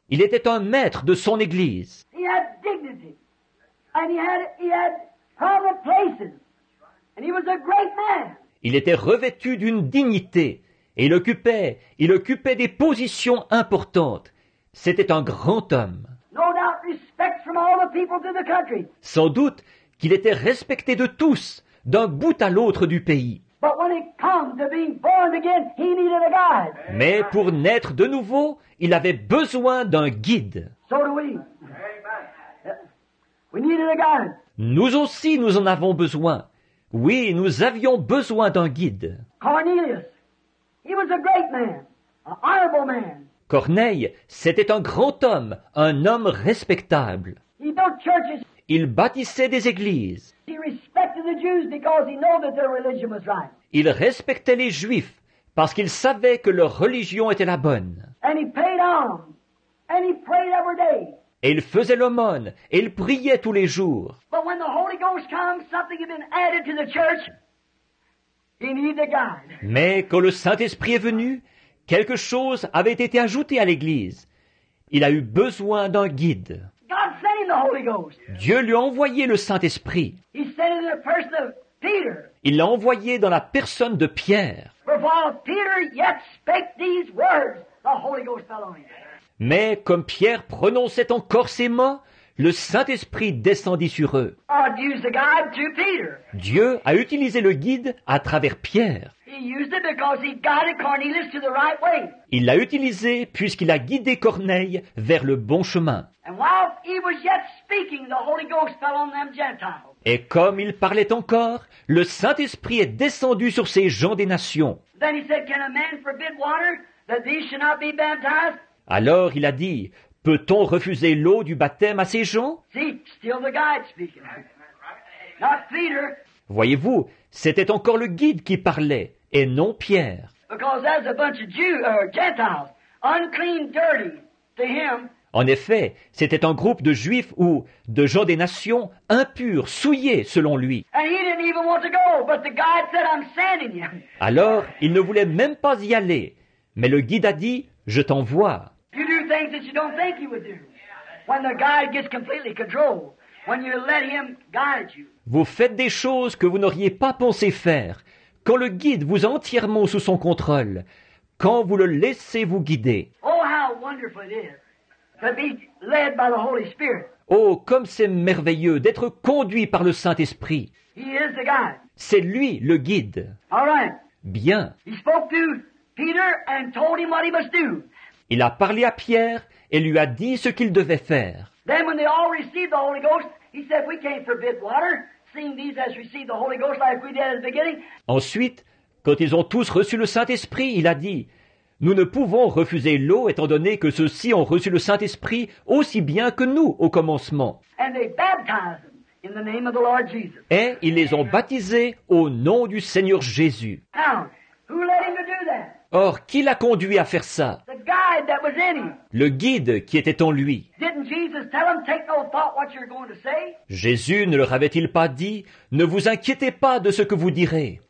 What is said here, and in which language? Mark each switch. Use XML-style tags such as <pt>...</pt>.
<fr>Il était un maître de son église.</fr> <en>He had dignity. And he had public places. And he was a great man.</en> <fr>Il était revêtu d'une dignité et il occupait des positions importantes. C'était un grand homme.</fr> <en>No doubt respect from all the people to the country.</en> <fr>Sans doute qu'il était respecté de tous, d'un bout à l'autre du pays.</fr> <en>But when it comes to being born again, he needed a guide.</en> <fr>Mais pour naître de nouveau, il avait besoin d'un guide.</fr> <en>So do we. We needed a guide.</en> <fr>Nous aussi, nous en avons besoin. Oui, nous avions besoin d'un guide.</fr> <en>Cornelius, he was a great man, an honorable man.</en> <fr>Corneille, c'était un grand homme, un homme respectable.</fr> <en>He built churches.</en> <fr>Il bâtissait des églises.</fr> <en>He respected the Jews because he knew that their religion was right.</en> <fr>Il respectait les Juifs parce qu'il savait que leur religion était la bonne.</fr> <en>And he paid alms. And he prayed every day.</en> <fr>Et il faisait l'aumône et il priait tous les jours.</fr> <en>But when the Holy Ghost comes, something had been added to the church. He needed a guide.</en> <fr>Mais quand le Saint-Esprit est venu, quelque chose avait été ajouté à l'église. Il a eu besoin d'un guide.</fr> <en>God sent him the Holy Ghost.</en> <fr>Dieu lui a envoyé le Saint-Esprit.</fr> <en>He sent him in the person of Peter.</en> <fr>Il l'a envoyé dans la personne de Pierre.</fr> <en>For while Peter yet spake these words, the Holy Ghost fell on him.</en> <fr>Mais comme Pierre prononçait encore ces mots, le Saint-Esprit descendit sur eux.</fr> <en>God used the guide to Peter.</en> <fr>Dieu a utilisé le guide à travers Pierre.</fr> <en>He used it because he guided Cornelius to the right way.</en> <fr>Il l'a utilisé puisqu'il a guidé Corneille vers le bon chemin.</fr> <en>And while he was yet speaking, the Holy Ghost fell on them Gentiles.</en> <fr>Et comme il parlait encore, le Saint-Esprit est descendu sur ces gens des nations.</fr> <en>Then he said, can a man forbid water that these should not be baptized?</en> <fr>Alors il a dit, peut-on refuser l'eau du baptême à ces gens?</fr> <en>See, still the guide speaking. Not Peter.</en> <fr>Voyez-vous, c'était encore le guide qui parlait, et non Pierre.</fr> <en>Because as a bunch of Jews, or Gentiles, unclean, dirty to him.</en> <fr>En effet, c'était un groupe de Juifs ou de gens des nations impurs, souillés selon lui.</fr> <en>And he didn't even want to go, but the guide said, I'm sending you.</en> <fr>Alors, il ne voulait même pas y aller, mais le guide a dit, je t'envoie.</fr> <en>You do things that you don't think he would do. When the guide gets completely controlled. When you let him guide you.</en> <fr>Vous faites des choses que vous n'auriez pas pensé faire. Quand le guide vous est entièrement sous son contrôle. Quand vous le laissez vous guider.</fr> <en>Oh, how wonderful it is to be led by the Holy Spirit.</en> <fr>Oh, comme c'est merveilleux d'être conduit par le Saint-Esprit.</fr> <en>He is the guide.</en> <fr>C'est lui le guide.</fr> <en>All right.</en> <fr>Bien.</fr> <en>He spoke to Peter and told him what he must do.</en> <fr>Il a parlé à Pierre et lui a dit ce qu'il devait faire.</fr> <en>Then when they all received the Holy Ghost, he said, we can't forbid water, seeing these as received the Holy Ghost like we did at the beginning.</en> <fr>Ensuite, quand ils ont tous reçu le Saint-Esprit, il a dit, nous ne pouvons refuser l'eau étant donné que ceux-ci ont reçu le Saint-Esprit aussi bien que nous au commencement.</fr> <en>And they baptized them in the name of the Lord Jesus.</en> <fr>Et ils les ont baptisés au nom du Seigneur Jésus.</fr> <en>Now, who led him to do that?</en> <fr>Or, qui l'a conduit à faire ça?</fr> <en>The guide that was in him.</en> <fr>Le guide qui était en lui.</fr> <en>Didn't Jesus tell him, take no thought what you're going to say?</en> <fr>Jésus ne leur avait-il pas dit, ne vous inquiétez pas de ce que vous direz?</fr>